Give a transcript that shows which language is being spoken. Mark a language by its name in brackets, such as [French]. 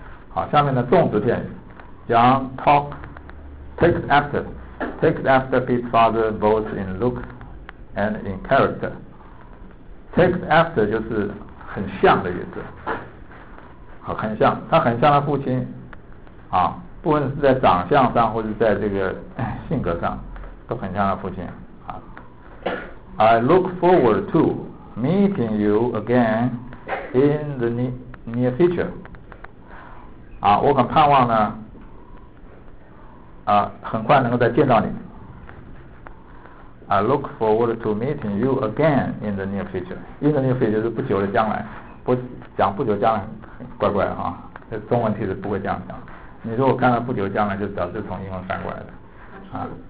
[Chinese] 好，下面的动词片语 [English] John takes after his father both in looks and in character。 [Chinese] takes after 就是很像的意思，好，很像，他很像他父亲啊，不论是在长相上或者在这个性格上都很像他父亲啊。 [English] I look forward to meeting you again in the near future. [Chinese] 啊，我很盼望呢，啊，很快能够再见到你。 [English] I look forward to meeting you again in the near future. In the near future [Chinese] 是不久的将来，不讲不久将来，怪怪啊。这中文其实不会这样讲。你如果看到不久将来，就表示从英文翻过来的，啊。